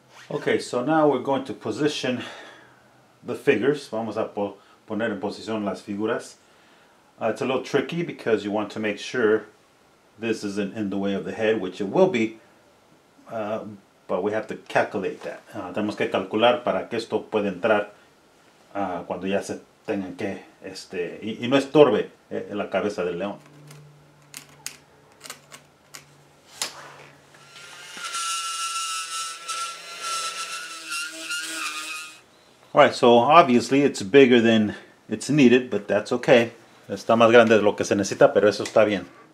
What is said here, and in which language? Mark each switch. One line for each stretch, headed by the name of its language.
English: Okay, so now we're going to position the figures.
Spanish: Vamos a poner en posición las figuras.
English: It's a little tricky because you want to make sure this isn't in the way of the head, which it will be, but we have to calculate that.
Spanish: Tenemos que calcular para que esto pueda entrar cuando ya se tengan que, y no estorbe en la cabeza del león.
English: Alright, so obviously it's bigger than it's needed, but that's okay.
Spanish: Está más grande de lo que se necesita, pero eso está bien.